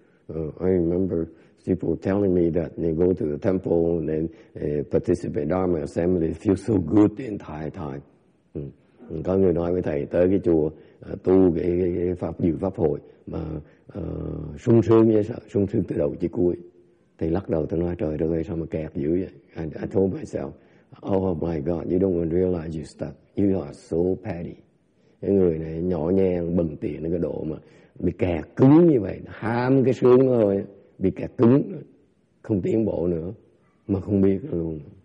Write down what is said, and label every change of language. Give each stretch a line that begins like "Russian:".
English: I remember people telling me that they go to the temple and then participate Dharma assembly, feel so good the entire time.
Vietnamese: Có người nói với thầy tới cái chùa tu cái pháp dự pháp hội mà sung sướng như sao, sung sướng từ đầu chí cuối. Thầy lắc đầu, tôi nói trời ơi sao mà kẹt dữ vậy.
English: I told myself, oh my god, you don't realize you're stuck, you are so petty.
Vietnamese: Cái người này nhỏ nhen bần tiện cái độ mà bị kẹt cứng như vậy, ham cái sướng thôi, bị kẹt cứng không tiến bộ nữa mà không biết luôn.